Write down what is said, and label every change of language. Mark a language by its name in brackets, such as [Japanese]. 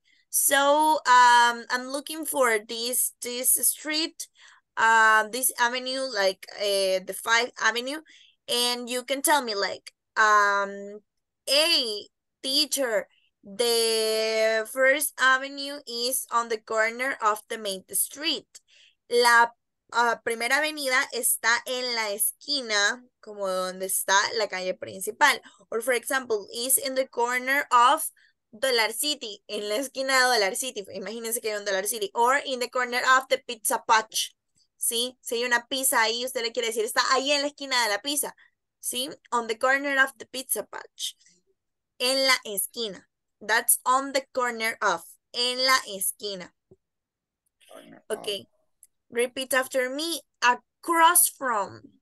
[English] So, I'm looking for this street, this avenue, like the 5th avenue, and you can tell me, like, hey, teacher, the first avenue is on the corner of the main street. [Spanish] La primera avenida está en la esquina, como donde está la calle principal. [English] Or, for example, is in the corner of Dollar City, [Spanish] en la esquina de Dollar City. Imagínense que hay un Dollar City. [English] Or in the corner of the pizza patch. [Spanish] ¿Sí? Si hay una pizza ahí, usted le quiere decir, está ahí en la esquina de la pizza. ¿Sí? [English] On the corner of the pizza patch. [Spanish] En la esquina. [English] That's on the corner of. [Spanish] En la esquina. [English] Okay. Repeat after me. Across from.